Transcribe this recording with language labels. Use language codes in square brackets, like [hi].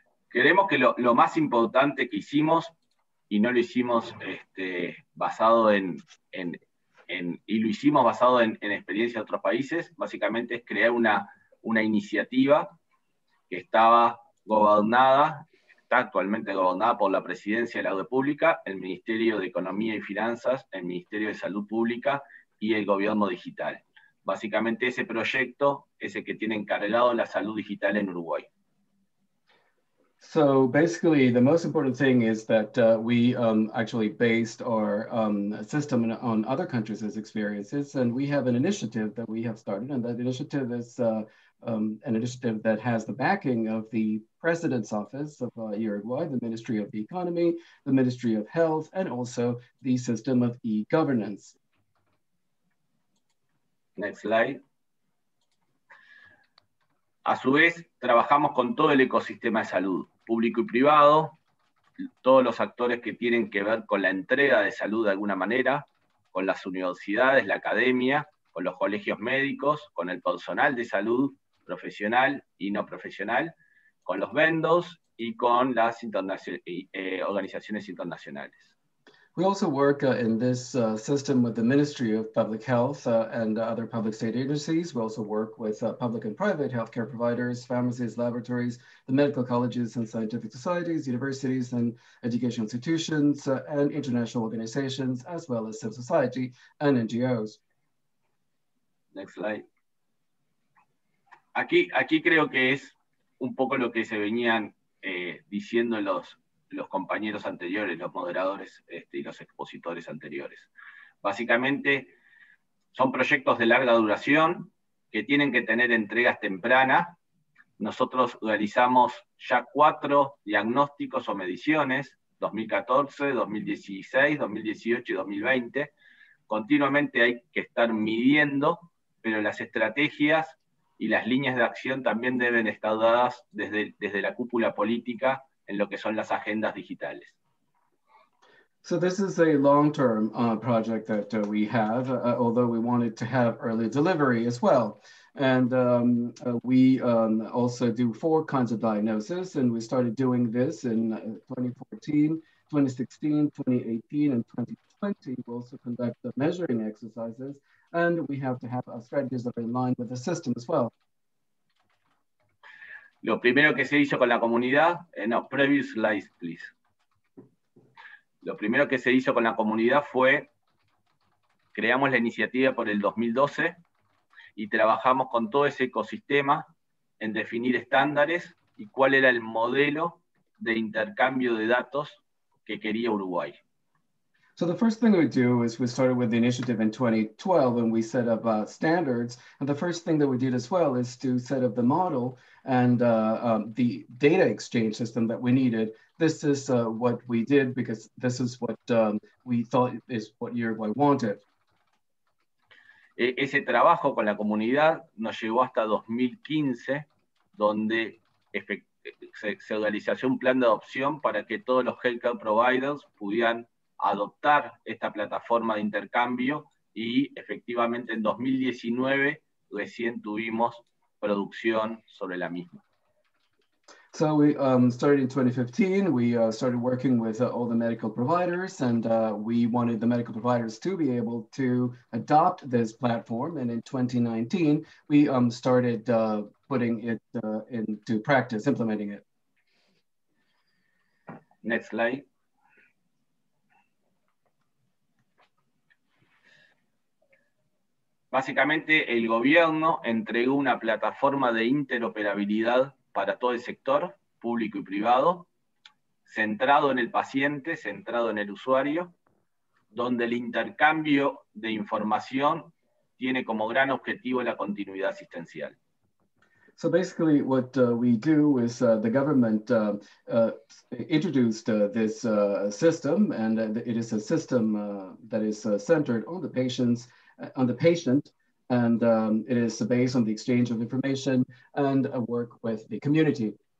[es] Queremos que lo más importante que hicimos y no lo hicimos basado en y lo hicimos basado en experiencia de otros países, básicamente es crear una iniciativa que estaba gobernada, está actualmente gobernada por la Presidencia de la República, el Ministerio de Economía y Finanzas, el Ministerio de Salud Pública y el Gobierno Digital. Básicamente ese proyecto es el que tiene encargado la salud digital en Uruguay. [en] So basically, the most important thing is that we actually based our system on other countries' experiences, and we have an initiative that we have started, and that initiative is an initiative that has the backing of the President's Office of Uruguay, the Ministry of the Economy, the Ministry of Health, and also the system of e-governance. Next slide. [es] A su vez, trabajamos con todo el ecosistema de salud, público y privado, todos los actores que tienen que ver con la entrega de salud de alguna manera, con las universidades, la academia, con los colegios médicos, con el personal de salud profesional y no profesional, con los vendors y con las organizaciones internacionales. [en] We also work in this system with the Ministry of Public Health and other public state agencies. We also work with public and private healthcare providers, pharmacies, laboratories, the medical colleges and scientific societies, universities and education institutions, and international organizations, as well as civil society and NGOs. Next slide. [es] Aquí creo que es un poco lo que se venían diciendo los compañeros anteriores, los moderadores y los expositores anteriores. Básicamente, son proyectos de larga duración que tienen que tener entregas tempranas. Nosotros realizamos ya 4 diagnósticos o mediciones, 2014, 2016, 2018 y 2020. Continuamente hay que estar midiendo, pero las estrategias y las líneas de acción también deben estar dadas desde la cúpula política en lo que son las agendas digitales. [en] So this is a long-term project that we have, although we wanted to have early delivery as well. And we also do 4 kinds of diagnosis, and we started doing this in 2014, 2016, 2018, and 2020. We also conduct the measuring exercises, and we have to have our strategies that are in line with the system as well. [es] Lo primero que se hizo con la comunidad, no, [en] previous slides, please. [es] Lo primero que se hizo con la comunidad fue, creamos la iniciativa por el 2012 y trabajamos con todo ese ecosistema en definir estándares y cuál era el modelo de intercambio de datos que quería Uruguay. [en] So the first thing we do is we started with the initiative in 2012 and we set up standards. And the first thing that we did as well is to set up the model and the data exchange system that we needed. This is what we did because this is what we thought is what Uruguay wanted. [es] Ese trabajo con la comunidad nos llevó hasta 2015, donde se realizó un plan de adopción para que todos los [en] healthcare providers [es] pudieran adoptar esta plataforma de intercambio y efectivamente en 2019 recién tuvimos producción sobre la misma. [en] So we started in 2015, we started working with all the medical providers and we wanted the medical providers to be able to adopt this platform, and in 2019 we started putting it into practice, implementing it. Next slide. [es] Básicamente, el gobierno entregó una plataforma de interoperabilidad para todo el sector, público y privado, centrado en el paciente, centrado en el usuario, donde el intercambio de información tiene como gran objetivo la continuidad asistencial. [en] So basically what we do is the government introduced this system, and it is a system that is centered on the patients, on the patient, and it is based on the exchange of information and a work with the community.